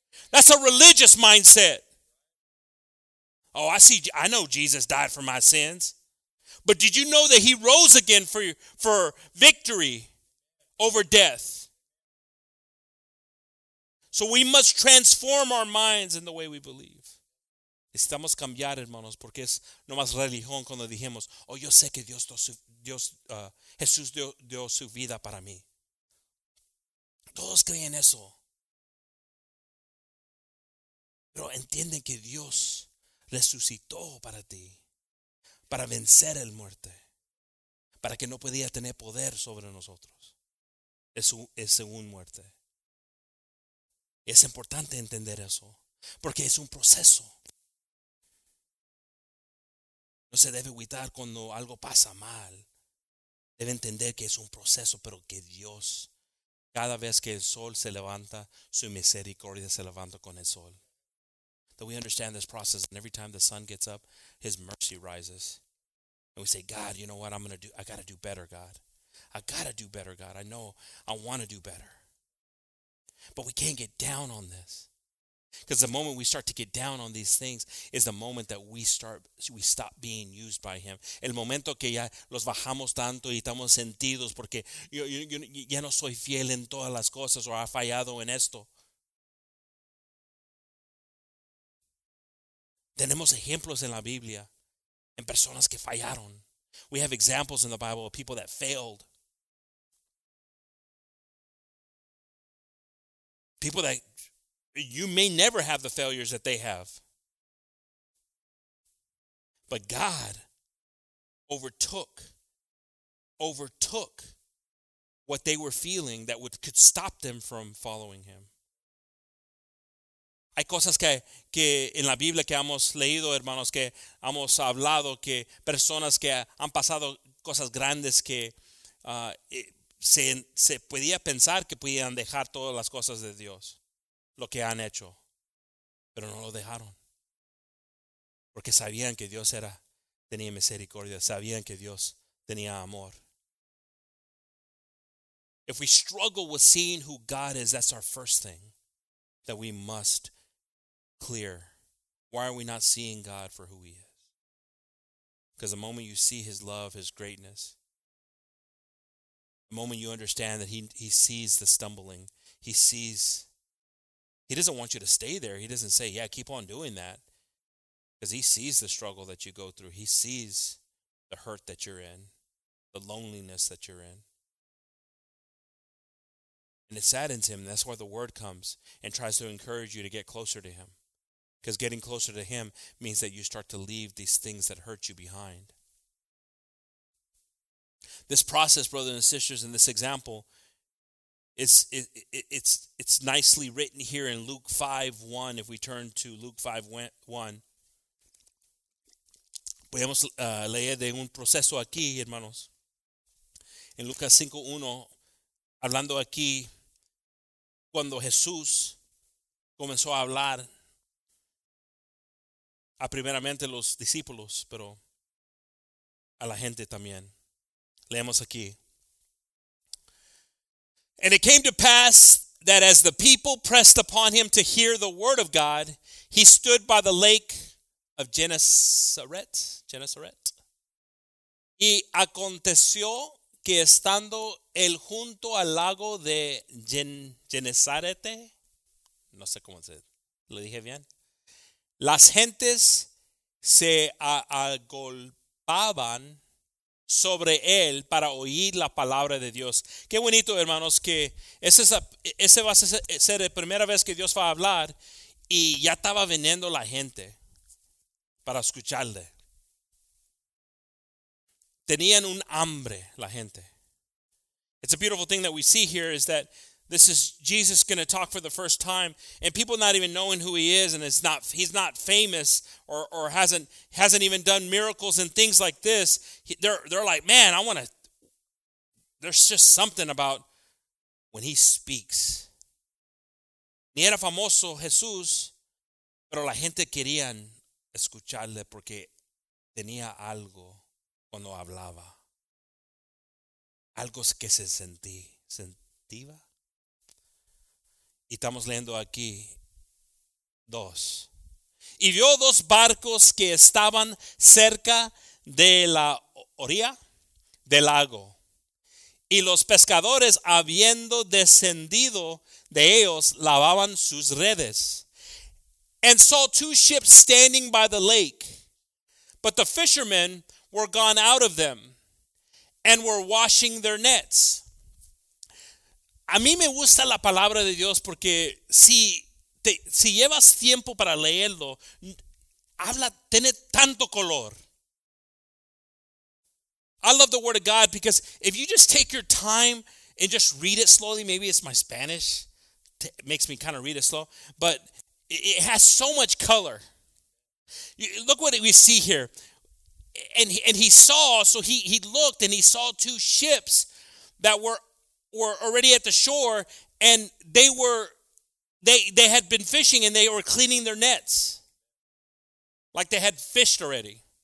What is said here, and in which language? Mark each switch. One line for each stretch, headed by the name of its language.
English: That's a religious mindset. Oh, I know Jesus died for my sins. But did you know that he rose again for victory over death? So we must transform our minds in the way we believe.
Spanish: Necesitamos cambiar, hermanos, porque es nomás religión cuando dijimos, oh, yo sé que Jesús dio su vida para mí. Todos creen eso. Pero entienden que Dios resucitó para ti. Para vencer el muerte. Para que no podía tener poder sobre nosotros. Es según muerte. Es importante entender eso. Porque es un proceso. No se debe agüitar cuando algo pasa mal. Debe entender que es un proceso. Pero que Dios, cada vez que el sol se levanta, su misericordia se levanta con el sol.
English: That we understand this process. And every time the sun gets up, his mercy rises. And we say, God, you know what? I got to do better, God. I got to do better, God. I know I want to do better. But we can't get down on this. Because the moment we start to get down on these things is the moment that we stop being used by him.
Spanish: El momento que ya los bajamos tanto y estamos sentidos porque ya no soy fiel en todas las cosas o ha fallado en esto. Tenemos ejemplos en la Biblia. And personas que fallaron.
English: We have examples in the Bible of people that failed. People that you may never have the failures that they have. But God overtook what they were feeling that could stop them from following him. Hay cosas que en la Biblia que hemos leído, hermanos, que hemos hablado, que personas que han pasado cosas grandes que se podía pensar que podían dejar todas las cosas de Dios, lo que han hecho, pero no lo dejaron, porque sabían que Dios era, tenía misericordia, sabían que Dios tenía amor. If we struggle with seeing who God is, that's our first thing that we must clear. Why are we not seeing God for who he is? Because the moment you see his love, his greatness, the moment you understand that he sees the stumbling, he sees, he doesn't want you to stay there. He doesn't say, yeah, keep on doing that. Because he sees the struggle that you go through. He sees the hurt that you're in, the loneliness that you're in. And it saddens him. That's why the word comes and tries to encourage you to get closer to him. Because getting closer to him means that you start to leave these things that hurt you behind. This process, brothers and sisters, in this example, it's nicely written here in Luke 5:1. If we turn to Luke 5:1,
Spanish: podemos leer de un proceso aquí, hermanos. En Lucas 5:1, hablando aquí, cuando Jesús comenzó a hablar a primeramente los discípulos, pero a la gente también. Leemos aquí.
English: And it came to pass that as the people pressed upon him to hear the word of God, he stood by the lake of Genesaret.
Spanish: Y aconteció que estando él junto al lago de Genesarete, no sé cómo se lo dije bien, las gentes se agolpaban sobre él para oír la palabra de Dios. Qué bonito, hermanos, que ese va a ser la primera vez que Dios va a hablar y ya estaba viniendo la gente para escucharle. Tenían un hambre la gente.
English: It's a beautiful thing that we see here is that this is Jesus going to talk for the first time and people not even knowing who he is, and it's not, he's not famous or hasn't even done miracles and things like this. They're like, man, I want to, there's just something about when he speaks.
Spanish: Ni era famoso Jesús, pero la gente querían escucharle porque tenía algo cuando hablaba. Algo que se sentía. Y estamos leyendo aquí, 2. Y vio dos barcos que estaban cerca de la orilla del lago. Y los pescadores, habiendo descendido de ellos, lavaban sus redes.
English: And saw two ships standing by the lake. But the fishermen were gone out of them and were washing their nets.
Spanish: A mí me gusta la palabra de Dios porque si llevas tiempo para leerlo, habla, tiene tanto color.
English: I love the word of God because if you just take your time and just read it slowly, maybe it's my Spanish, makes me kind of read it slow, but it has so much color. Look what we see here. And he saw, so he looked and he saw two ships that were already at the shore, and they had been fishing and they were cleaning their nets like they had fished already.